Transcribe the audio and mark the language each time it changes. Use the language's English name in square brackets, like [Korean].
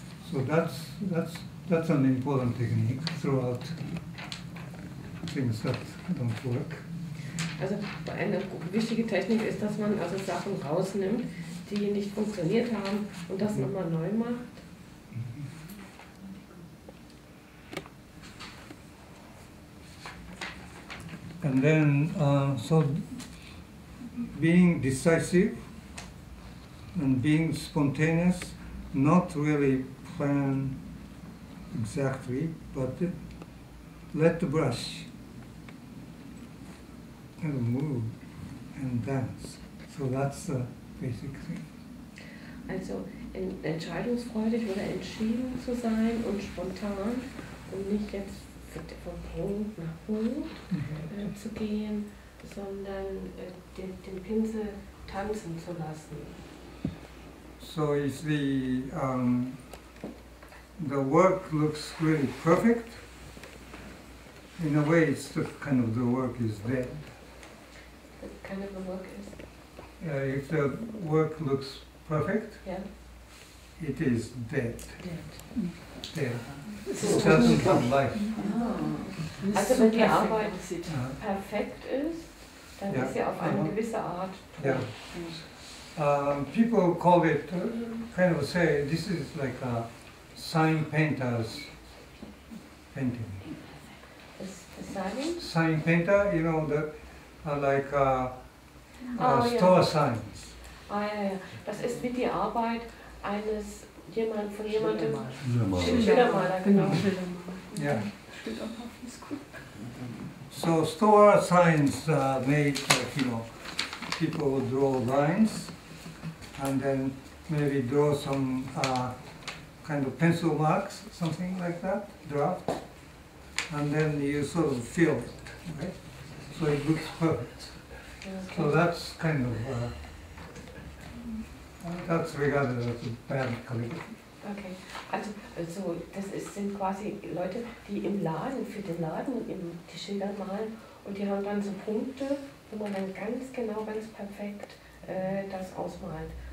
[English] So that's an important technique throughout things that don't work. [German] Also eine wichtige Technik ist, dass man also Sachen rausnimmt, die nicht funktioniert haben und das nochmal neu macht. [English] And then, so being decisive, and being spontaneous, not really plan exactly, but let the brush kind of move and dance. So that's the basic thing. [German] Also entscheidungsfreudig oder entschieden zu sein und spontan und nicht jetzt von Punkt nach Punkt zu gehen, sondern den Pinsel tanzen zu lassen. [English] So it's the work looks really perfect. In a way, it's the kind of the work is dead. The kind of the work is? If the work looks perfect, yeah. It is dead. Dead. It doesn't have life. Oh. [German] Also wenn die Arbeit perfekt ist, dann ist sie auf eine gewisse Art tot. [English] Yeah. People call it, kind of say, this is like a sign painter's painting. A sign? Sign painter, you know, the like store signs. [German] Ah, das ist wie die Arbeit eines Schildermaler, genau. [English] So store signs made, like, you know, people draw lines. And then maybe draw some kind of pencil marks, something like that, draft. And then you sort of fill it, right? So it looks perfect. Okay. So that's kind of, that's regarded as a bad calligraphy. [German] Okay, also das ist, sind quasi Leute, die im Laden, für den Laden, die Schilder malen. Und die haben dann so Punkte, wo man dann ganz genau, ganz perfekt das ausmalt.